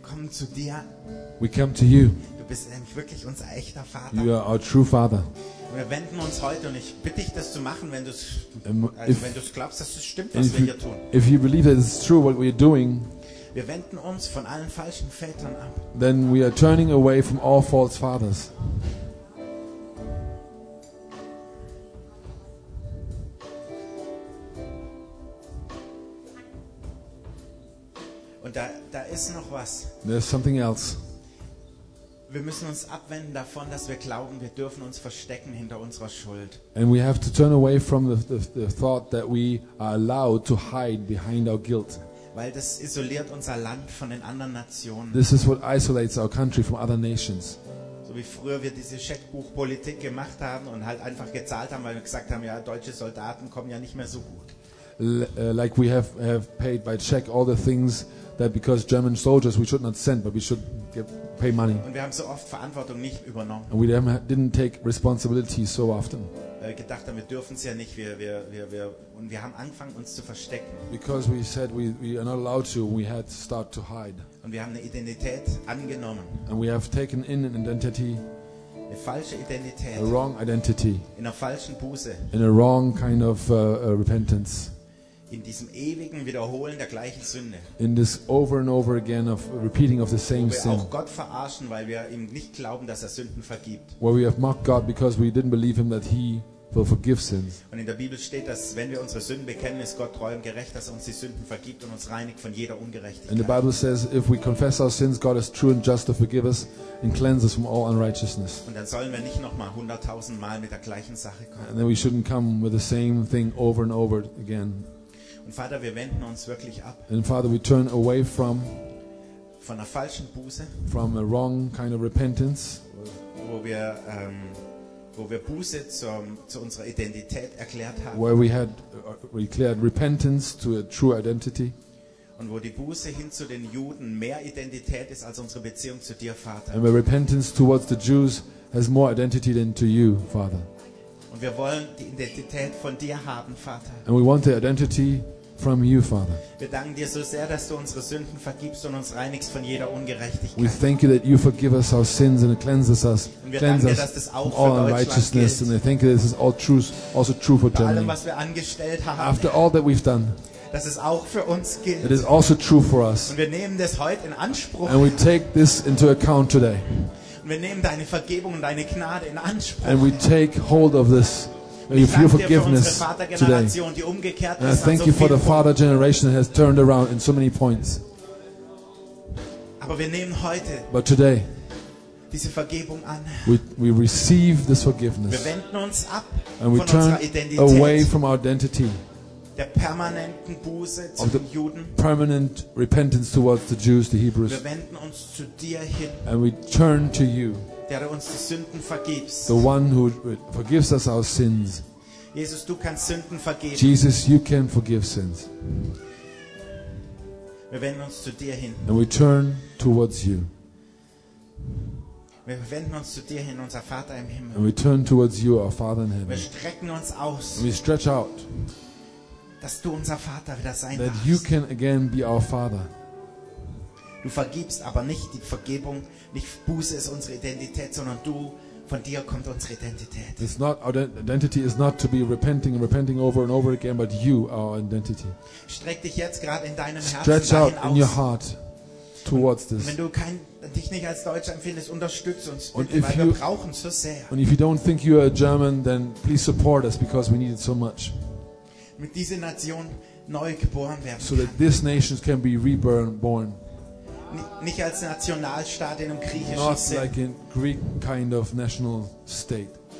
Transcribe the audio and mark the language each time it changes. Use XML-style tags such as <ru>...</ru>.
<de>Zu dir.</de> <en>We come to you.</en> <de>Du bist nämlich wirklich unser echter Vater.</de> <en>You are our true father.</en> <de>Wir wenden uns heute und ich bitte dich, das zu machen, wenn du es wenn du es glaubst, dass es stimmt, was wir hier tun.</de> <en>If you believe that it's true what we are doing.</en> <de>Wir wenden uns von allen falschen Vätern ab.</de> <en>Then we are turning away from all false fathers.</en> <de>Da ist noch was.</de> <en>There's something else.</en> <de>Wir müssen uns abwenden davon, dass wir glauben, wir dürfen uns verstecken hinter unserer Schuld.</de> <en>And we have to turn away from the thought that we are allowed to hide behind our guilt.</en> <de>Weil das isoliert unser Land von den anderen Nationen.</de> <en>This is what isolates our country from other nations.</en> <de>So wie früher wir diese Scheckbuchpolitik gemacht haben und halt einfach gezahlt haben, weil wir gesagt haben, ja, deutsche Soldaten kommen ja nicht mehr so gut.</de> <en>Like we have paid by check all the things that because German soldiers we should not send but we should pay money.</en> <de>Und wir haben so oft Verantwortung nicht übernommen.</de> <en>And we didn't take responsibility so often.</en> <de>Weil wir gedacht haben, wir dürfen es ja nicht, und wir haben angefangen uns zu verstecken.</de> <en>Because we said we are not allowed to, we had to start to hide.</en> <de>Und wir haben eine Identität angenommen.</de> <en>And we have taken in an identity.</en> <de>Eine falsche Identität.</de> <en>A wrong identity.</en> <de>In einer falschen Buße.</de> <en>In a wrong kind of repentance.</en> <de>In diesem ewigen Wiederholen der gleichen Sünde.</de> <en>In this over and over again of repeating of the same sin.</en> <de>Wo wir auch Gott verarschen, weil wir ihm nicht glauben, dass er Sünden vergibt.</de> <en>Where we have mocked God because we didn't believe him that he will forgive sins.</en> <de>Und in der Bibel steht, dass wenn wir unsere Sünden bekennen, ist Gott treu und gerecht, dass er uns die Sünden vergibt und uns reinigt von jeder Ungerechtigkeit.</de> <en>And the Bible says, if we confess our sins, God is true and just to forgive us and cleanse us from all unrighteousness.</en> <de>Und dann sollen wir nicht nochmal 100.000 Mal mit der gleichen Sache kommen.</de> <en>And then we shouldn't come with the same thing over and over again.</en> <de>Und Vater, wir wenden uns wirklich ab.</de> <en>And Father, we turn away from</en> <de>von einer falschen Buße,</de> <en>from a wrong kind of repentance,</en> <de>wo wir Buße zu unserer Identität erklärt haben,</de> <en>where we had declared repentance to a true identity,</en> <de>und wo die Buße hin zu den Juden mehr Identität ist als unsere Beziehung zu dir, Vater.</de> <en>And where repentance towards the Jews has more identity than to you, Father.</en> <de>Und wir wollen die Identität von dir haben, Vater.</de> <en>And we want the identity from you, Father.</en> <de>Wir danken dir so sehr, dass du unsere Sünden vergibst und uns reinigst von jeder Ungerechtigkeit.</de> <en>We thank you that you forgive us our sins and cleanses us.</en> <de>Und wir danken dir, dass das auch für Deutschland gilt.</de> <en>And we thank you that this is all true, also true for Germany.</en> <de>Allem, was wir angestellt haben.</de> <en>After all that we've done.</en> <de>Das ist auch für uns gilt.</de> <en>It is also true for us.</en> <de>Und wir nehmen das heute in Anspruch.</de> <en>And we take this into account today.</en> <de>Und wir nehmen deine Vergebung und deine Gnade in Anspruch.</de> <en>And we take hold of this.</en> <de>Ich danke dir für unsere Vatergeneration, die umgekehrt ist.</de> <en>I thank you for the father generation that has turned around in so many points.</en> <de>Aber wir nehmen heute</de> <en>but today,</en> <de>diese Vergebung an.</de> <en>We receive this forgiveness.</en> <de>Wir wenden uns ab</de> <en>and we</en> <de>von</de> <en>turn</en> <de>unserer Identität</de> <en>away from our identity</en> <de>der permanenten Buße zu</de> <en>of the</en> <de>den Juden.</de> <en>Permanent repentance towards the Jews, the Hebrews.</en> <de>Wir wenden uns zu dir hin.</de> <en>And we turn to you.</en> <de>Der uns die Sünden vergibst.</de> <en>The one who forgives us our sins.</en> <de>Jesus, du kannst Sünden vergeben.</de> <en>Jesus, you can forgive sins.</en> <de>Wir wenden uns zu dir hin.</de> <en>And we turn towards you.</en> <de>Wir wenden uns zu dir hin, unser Vater im Himmel.</de> <en>And we turn towards you, our Father in heaven.</en> <de>Wir strecken uns aus.</de> <en>And we stretch out.</en> <de>Dass du unser Vater wieder sein</de> <en>that</en> <de>darfst.</de> <en>You can again be our Father.</en> <de>Du vergibst, aber nicht die Vergebung, nicht Buße ist unsere Identität, sondern du, von dir kommt unsere Identität.</de> <en>It's not our identity is not to be repenting and repenting over and over again, but you are our identity.</en> <de>Streck dich jetzt gerade in deinem Herzen</de> <en>stretch</en> <de>dahin</de> <en>out</en> <de>aus.</de> <en>In your heart towards this.</en> <de>Wenn du dich nicht als Deutscher empfindest, unterstütz uns, weil wir brauchen so sehr.</de> <en>And if you don't think you are a German, then please support us because we need it so much.</en> <de>Mit dieser Nation neu geboren werden.</de> <en>So that this nation can be reborn.</en> <de>Nicht als Nationalstaat in einem griechischen</de> <en>not</en> <de>Sinn.</de> <en>Like in Greek kind of national state.</en>